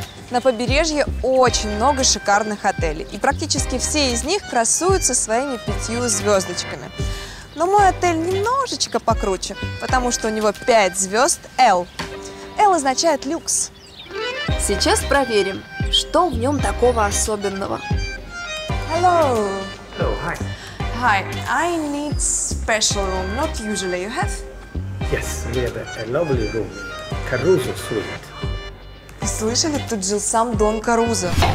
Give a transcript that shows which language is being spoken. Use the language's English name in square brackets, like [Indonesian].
[Russian] На побережье очень много шикарных отелей, и практически все из них красуются своими 5 звездочками. Но мой отель немножечко покруче, потому что у него 5 звезд L. L означает люкс. Сейчас проверим, что в нем такого особенного. [English] Hello. Hello, hi. Hi, I need special room, not usually. You have? Yes, we have a lovely room. Caruso suite. [Russian] Слышали, тут жил сам Дон Карузо.